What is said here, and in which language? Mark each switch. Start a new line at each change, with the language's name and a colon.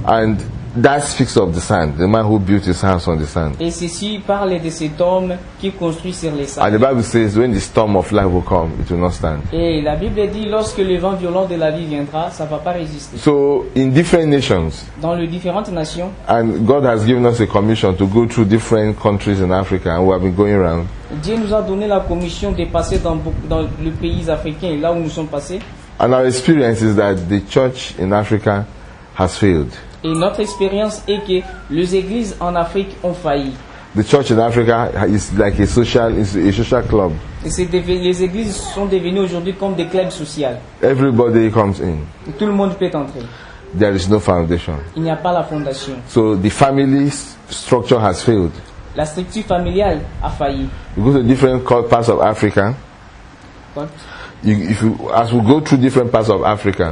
English: And that speaks of the sand, the man who built his house on the sand.
French: Et ceci parle de cet homme qui construit sur les sables.
English: And the Bible says, when the storm of life will come, it will not stand.
French: Et la Bible dit, lorsque le vent violent de la vie viendra, ça va pas résister.
English: So in different nations.
French: Dans les différentes nations.
English: And God has given us a commission to go through different countries in Africa, and we have been going around.
French: Dieu nous a donné la commission de passer dans le pays africain, là où nous sommes passés.
English: And our experience is that the church in Africa has failed.
French: Et notre expérience est que les églises en Afrique ont failli.
English: The church in Africa is like a social club.
French: Et les églises sont devenues aujourd'hui comme des clubs sociaux.
English: Everybody comes in.
French: Et tout le monde peut entrer.
English: There is no foundation.
French: Il n'y a pas la fondation.
English: So the family structure has failed.
French: La structure familiale a failli.
English: You go to different parts of Africa. What? As we go through different parts of Africa.